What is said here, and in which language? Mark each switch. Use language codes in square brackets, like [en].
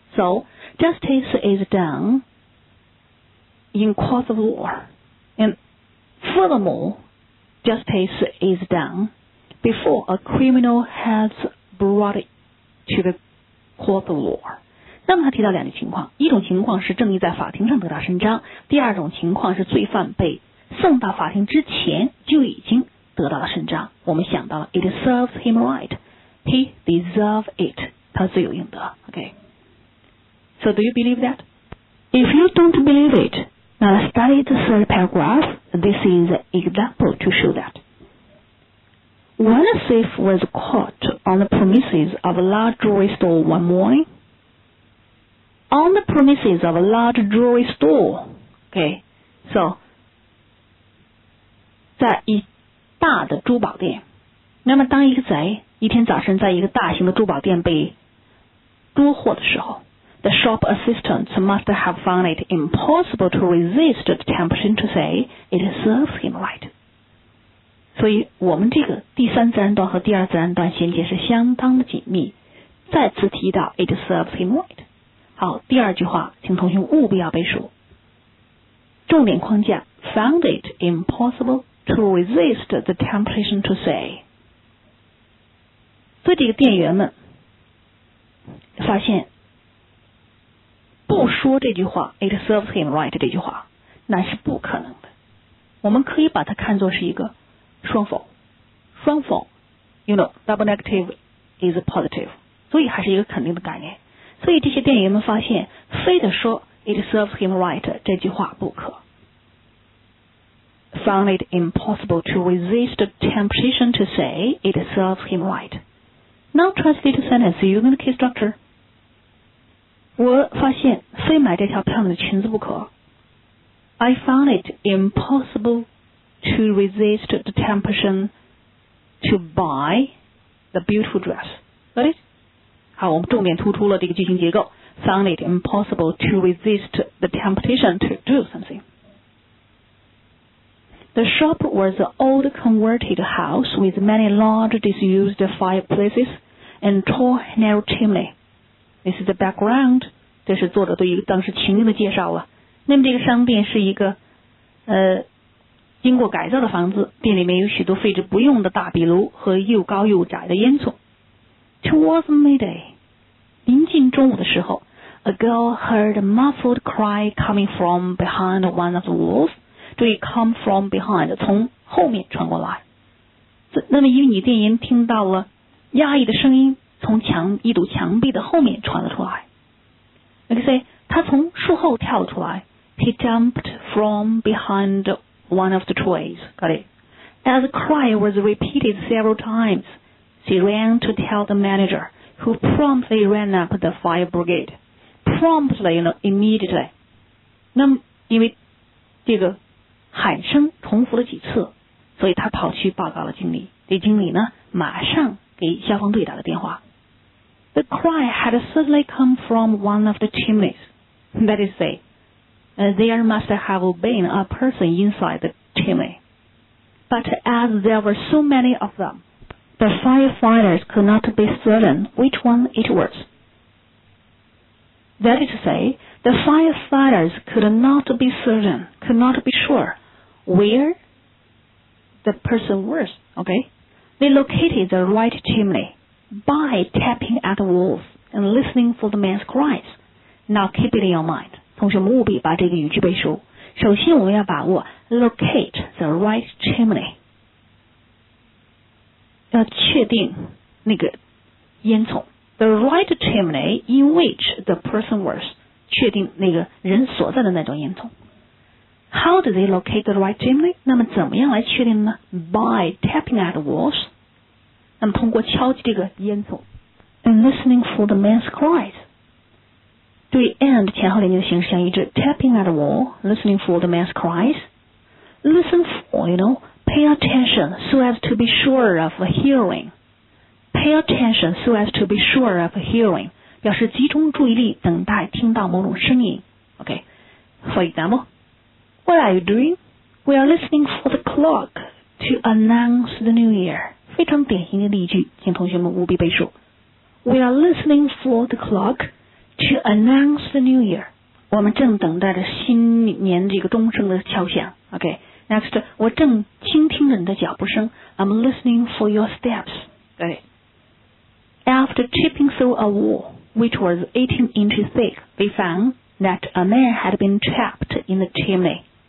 [en] So justice is done in course of law, and furthermore, justice is done before a criminal has brought it to the court of law. [zh] 那么他提到两种情况，一种情况是正义在法庭上得到伸张，第二种情况是罪犯被送到法庭之前就已经得到了伸张，我们想到了 [en] it serves him right, he deserves it, [zh] 他罪有应得。 [en] OK, so do you believe that? If you don't believe it, now study the third paragraph. This is an example to show that. When a thief was caught on the premises of a large jewelry store one morning, on the premises of a large jewelry store, OK, so [zh] 在一大的珠宝店，那么当一个贼一天早晨在一个大型的珠宝店被捉获的时候， [en] The shop assistants must have found it impossible to resist the temptation to say it serves him right. [zh] 所以我们这个第三自然段和第二自然段衔接是相当的紧密，再次提到 [en] it serves him right. [zh] 好，第二句话请同学务必要背熟，重点框架 [en] found it impossible to resist the temptation to say. [zh] 所以这个店员们发现不说这句话 [en] it serves him right [zh] 这句话，那是不可能的。我们可以把它看作是一个双否，双否 [en] you know double negative is positive， [zh] 所以还是一个肯定的概念。所以这些电影们发现非得说 [en] it serves him right [zh] 这句话不可。 [en] Found it impossible to resist the temptation to say it serves him right. Now translate sentence using the key structure. [zh] 我发现非买这条漂亮的裙子不可。 [en] I found it impossible to resist the temptation to buy the beautiful dress. Got it? [zh] 好，我们重点突出了这个句型结构。 [en] Found it impossible to resist the temptation to do something. The shop was an old converted house with many large disused fireplaces and tall narrow chimney. This is the background. [zh] 这是作者对于当时情境的介绍了。那么这个商店是一个经过改造的房子，店里面有许多废纸不用的大壁炉和又高又窄的烟囱。 [en] Towards midday, [zh] 临近中午的时候， [en] a girl heard a muffled cry coming from behind one of the walls. [zh] 注意 [en] come from behind， [zh] 从后面传过来。那么一个女店员听到了压抑的声音从一堵墙壁的后面传了出来。 [en] Like I say， [zh] 她从树后跳了出来。 [en] He jumped from behind one of the trees. Got it? As the cry was repeated several times, she ran to tell the manager, who promptly ran up the fire brigade. Promptly, you know, immediately. [zh] 那么因为这个喊声重复了几次，所以他跑去报告了经理。这经理呢，马上给消防队打了电话。 [en] The cry had certainly come from one of the chimneys. That is say, there must have been a person inside the chimney. But as there were so many of them, the firefighters could not be certain which one it was. That is say, the firefighters could not be certain, could not be sure. Where the person was, okay? They located the right chimney by tapping at the walls and listening for the man's cries. Now keep it in your mind. [zh] 同学们务必把这个语句背熟。首先我们要把握 [en] locate the right chimney， [zh] 要确定那个烟囱。 [en] The right chimney in which the person was， [zh] 确定那个人所在的那种烟囱。 [en] How do they locate the right chimney? [zh] 那么怎么样来确定呢？ [en] By tapping at the walls. [zh] 那么通过敲击这个烟囱。 [en] And listening for the man's cries. [zh] 对 and 前后连接的形式相一致。 [en] Tapping at the wall, listening for the man's cries. Listen for, you know, pay attention so as to be sure of hearing. Pay attention so as to be sure of hearing. [zh] 表示集中注意力等待听到某种声音。Okay. [en] For example,What are you doing? We are listening for the clock to announce the new year. [zh] 非常典型的例句，请同学们务必背熟。 [en] We are listening for the clock to announce the new year. [zh] 我们正等待着新年这个钟声的敲响。 [en] Okay, next, [zh] 我正倾听着你的脚步声。 [en] I'm listening for your steps. Got it. After chipping through a wall, which was 18 inches thick, we found... that a man had been trapped in the chimney.